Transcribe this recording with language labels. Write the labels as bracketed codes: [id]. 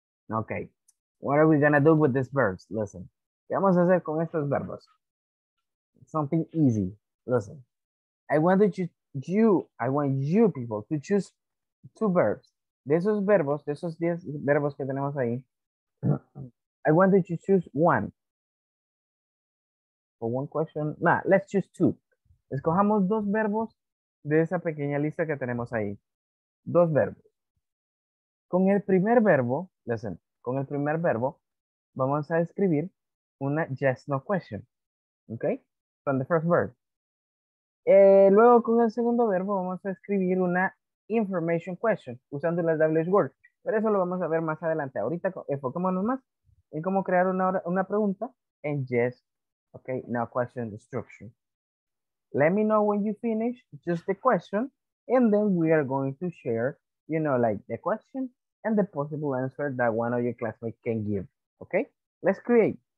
[en] Okay, what are we gonna do with these verbs? Listen, [es] ¿qué vamos a hacer con estos verbos? [en] Something easy. Listen. I want you people to choose two verbs. [es] De esos 10 verbos que tenemos ahí, [en] I want you to choose one. For one question, nah, let's choose two. [es] Escojamos dos verbos de esa pequeña lista que tenemos ahí. Dos verbos. Con el primer verbo, listen, con el primer verbo, vamos a escribir una yes no question. [en] Okay? From the first verb. [es] Luego con el segundo verbo vamos a escribir una information question usando las WH words, pero eso lo vamos a ver más adelante. Ahorita enfocémonos más en cómo crear una pregunta en yes, okay, no question structure. [en] Let me know when you finish just the question, and then we are going to share, you know, like the question and the possible answer that one of your classmates can give. Okay, let's create.